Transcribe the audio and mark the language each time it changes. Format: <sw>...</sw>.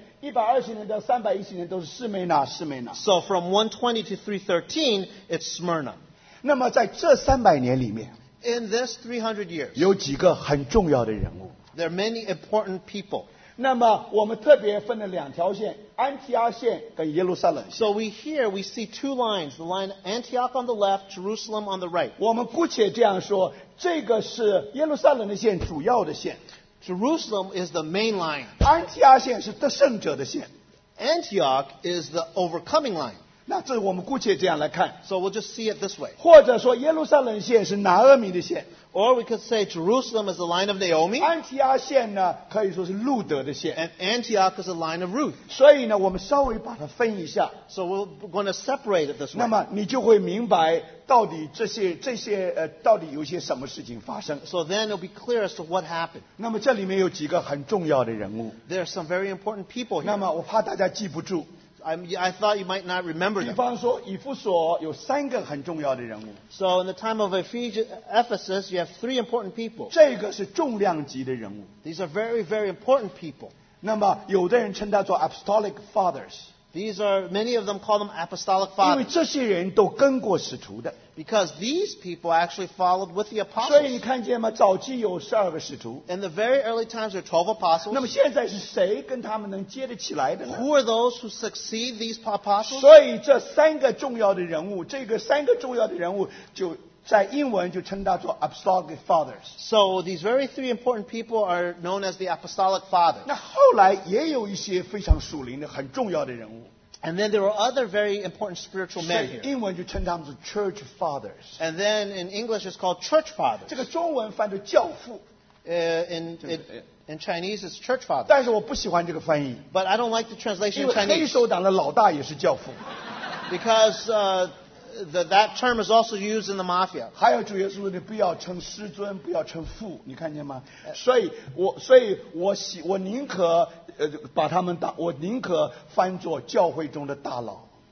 <zh>然后后面120年,后面120年到310年都是士美拿,士美拿。</zh> <en>So from 120 to 313, it's Smyrna.</en> <zh>那么在这300年里面,</zh> <en>in this 300 years,</en> <zh>有几个很重要的人物。</zh> <en>There are many important people.</en> <zh>那么我们特别分了两条线, 安提阿线跟耶路撒冷线。</zh> <en>So we here, we see two lines, the line Antioch on the left, Jerusalem on the right.</en> <zh>我们姑且这样说, 这个是耶路撒冷的线主要的线。</zh> <en>Jerusalem is the main line.</en> <zh>安提阿线是得胜者的线。</zh> <en>Antioch is the overcoming line.</en> <zh>那这我们姑且这样来看。</zh> <en>So we'll just see it this way.</en> <zh>或者说耶路撒冷线是拿俄米的线。</zh> <en>Or we could say Jerusalem is the line of Naomi.</en> <zh>安提阿线呢, 可以说是路德的线。</zh> <en>And Antioch is the line of Ruth.</en> <zh>所以呢, 我们稍微把它分一下。</zh> <en>So we're going to separate it this way.</en> <zh>那么你就会明白到底这些, 到底有些什么事情发生。</zh> <en>So then it'll be clear as to what happened.</en> <zh>那么这里面有几个很重要的人物。</zh> <en>There are some very important people here.</en> <zh>那么我怕大家记不住。</zh> <en>I thought you might not remember them.</en> <zh>比方说以弗所有三个很重要的人物。</zh> <en>So in the time of Ephesus, you have three important people.</en> <zh>这个是重量级的人物。</zh> <en>These are very, very important people.</en> <zh>那么有的人称他做 apostolic fathers.</zh> <en>These are, many of them call them apostolic fathers.</en> <zh>因为这些人都跟过使徒的。</zh> <en>Because these people actually followed with the apostles.</en> <zh>所以你看见吗?早期有12个使徒。</zh> <en>In the very early times, there are 12 apostles.</en> <zh>那么现在是谁跟他们能接得起来的呢?</zh> <en>Who are those who succeed these apostles?</en> <zh>所以这三个重要的人物, 这个三个重要的人物, 就在英文就称他做 apostolic fathers.</zh> <en>So these very three important people are known as the apostolic fathers.</en> <zh>那后来也有一些非常属灵的, 很重要的人物。</zh> <en>And then there were other very important spiritual men here.</en> <zh>英文就称他们是 church fathers.</zh> <en>And then in English it's called church fathers.</en> <zh>这个中文翻译教父。</zh> <en>In Chinese it's church fathers.</en> <zh>但是我不喜欢这个翻译。</zh> <en>But I don't like the translation in Chinese.</en> <zh>因为黑手党的老大也是教父。</zh> <en>Because that term is also used in the mafia.</en> <zh>还有主耶稣说你不要称师尊,不要称父,你看见吗?所以我宁可 把他们当我宁可翻作教会中的大佬。</zh>